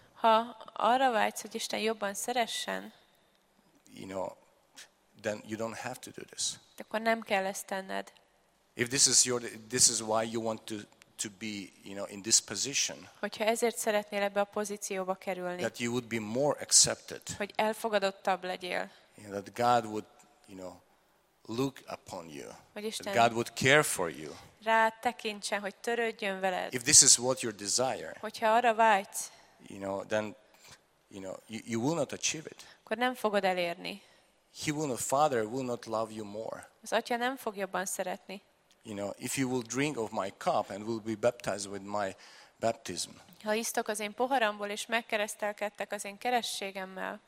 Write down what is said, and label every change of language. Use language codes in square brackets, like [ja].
[hu] Ha arra vágysz, hogy Isten jobban szeressen, [en] you know, then you don't have to do this. [hu] Akkor nem kell ezt tenned. [en] If this is why you want to be, you know, in this position. [hu] Hogyha ezért szeretnél ebbe a pozícióba kerülni. [en] That you would be more accepted. [hu] Hogy elfogadottabb legyél. [en] You know, that God would, you know, look upon you. God would care for you. [hu] Rá tekintsen, hogy törődjön veled. [en] If this is what you desire. [hu] Hogyha arra vágysz. [en] You know, then you know, you will not achieve it. [hu] Akkor nem fogod elérni. [en] He will not, Father will not love you more. [hu] Az Atya nem fog jobban szeretni. [en] You know, if you will drink of my cup and will be baptized with my baptism. [hu] Ha isztok az én poharamból és megkeresztelkedtek az én keresztségemmel.